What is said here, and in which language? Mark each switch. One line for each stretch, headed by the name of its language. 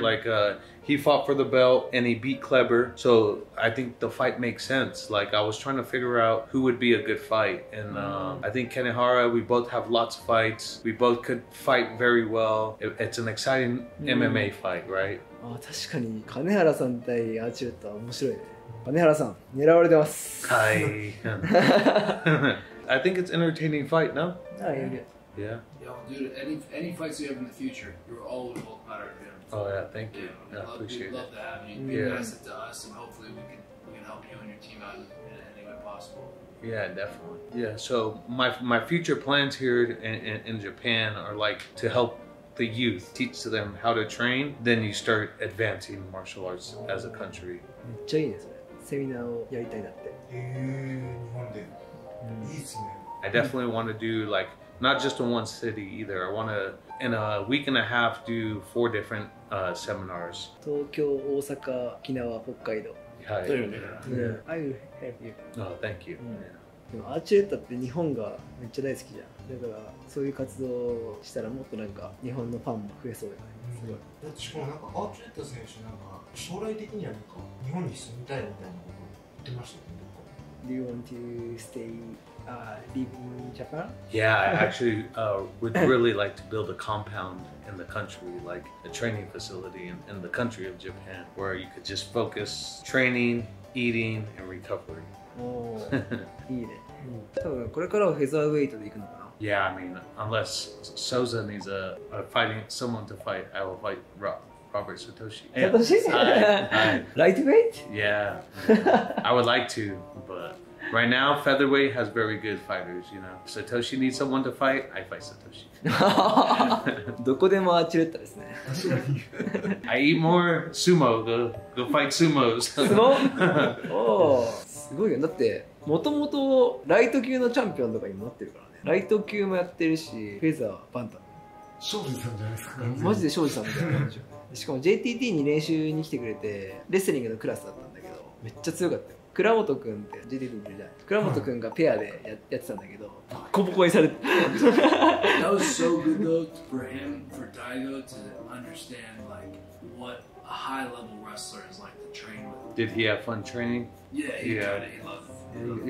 English: Like, he fought for the belt and he beat Kleber. So I think the fight makes sense. Like, I was trying to figure out who would be a good fight. And I think Kanehara, we both have lots of fights. We both could fight very well. It's an exciting MMA fight, right?
Japanese: ああ確かに金原さん対アーチェットは面白いね。金原さん狙われてます。はい。
English: I think it's entertaining fight, no? Yeah, yeah. Yeah. Yeah, dude. Any fights you have in the future, you're all involved better than him. So, oh yeah, thank you. Yeah, I appreciate it. We'd love to have you. Be nice to us, and hopefully we can help you and your team out in any way possible. Yeah, definitely. Yeah. So my future plans here in Japan are like to help the youth, teach them how to train, then you start advancing martial arts as a country.
Japanese: めっちゃいいですね。セミナーをやりたいなって。日本で。いいですね。
English: I definitely want to do like, not just in one city either. I want to, in a week and a half, do 4 different seminars.
Japanese: 東京、大阪、沖縄、北海道。はい。
English: I will help you. Oh, thank you.
Japanese: でもアーチェッタって日本がめっちゃ大好きじゃん。だからそういう活動をしたらもっとなんか日本のファンも増えそうだよね。すごい。しかもなんかアーチェッタ選手なんか将来的にはなんか日本に住みたいみたいなことを言ってましたよね。
English: Do you want to stay, live in Japan? Yeah, I actually would really like to build a compound in the country, like a training facility in the country of Japan, where you could just focus training, eating, and recovery. Oh, I see. I think I'm going to Yeah, I mean, unless Souza needs a fighting someone to fight, I will fight Robert Satoshi. Satoshi? Lightweight? Yeah. I would like to, but Right now, featherweight has very good fighters, you know. Satoshi needs someone to fight, I fight Satoshi.
Japanese: どこでもアーチレッタですね。
English: I eat more sumo, go fight sumos.
Japanese: すごいよ、だってもともとライト級のチャンピオンとかにもなってるからね。ライト級もやってるし、フェザー、バンタム。庄司さんじゃないですか。マジで庄司さんみたいな感じ。しかも JTT に練習に来てくれて、レスリングのクラスだったんだけど、めっちゃ強かったよ。倉本くんって、ジェディ君じゃない。倉本くんがペアで やってたんだけど、コポコにされて。
English: That was so good though for him, for Daigo to understand like what a high level wrestler is like to train with. Did he have fun training? Yeah, he tried it. He loved